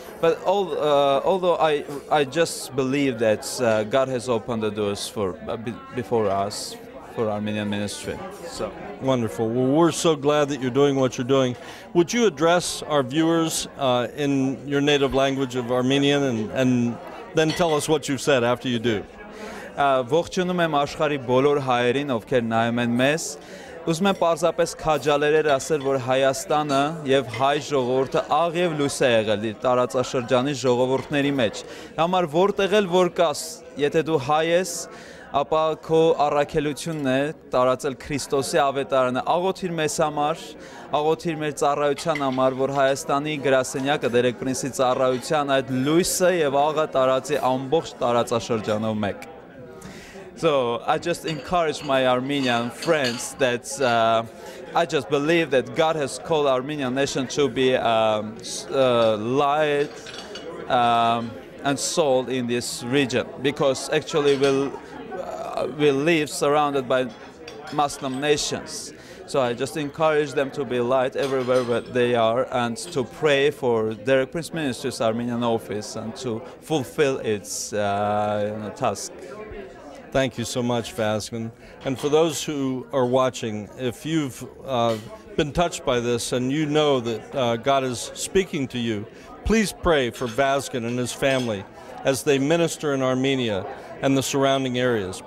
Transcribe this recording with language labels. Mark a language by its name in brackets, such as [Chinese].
[English] But although I just believe that God has opened the doors before us for Armenian ministry. So wonderful. Well, we're so glad that you're doing what you're doing. Would you address our viewers in your native language of Armenian, and then tell us what you've said after you do? [Armenian] Ողջունում եմ աշխարհի բոլոր հայերին, ովքեր նայում են մեզ. Ուզում եմ պարզապես քաջալերեր ասել, որ Հայաստանը եւ հայ ժողովուրդը աղ եւ լույս է եղել իր տարածաշրջանի ժողովուրդների մեջ։ Համար որտեղ էլ որ կաս, եթե դու հայ ես, ապա քո առաքելությունն է տարածել Քրիստոսի ավետարանը։ Աղոթիր մեզ համար, աղոթիր մեր ծառայության համար, որ Հայաստանի գրասենյակը Դերեկ Պրինսի ծառայության այդ լույսը եւ աղը տարածի ամբողջ տարածաշրջանով մեկ։ [English] So I just encourage my Armenian friends that I just believe that God has called Armenian nation to be light and salt in this region, because actually we live surrounded by Muslim nations. So I just encourage them to be light everywhere where they are, and to pray for Derek Prince Ministries Armenian office and to fulfill its task. Thank you so much, Vazgen. And for those who are watching, if you've been touched by this and you know that God is speaking to you, please pray for Vazgen and his family as they minister in Armenia and the surrounding areas.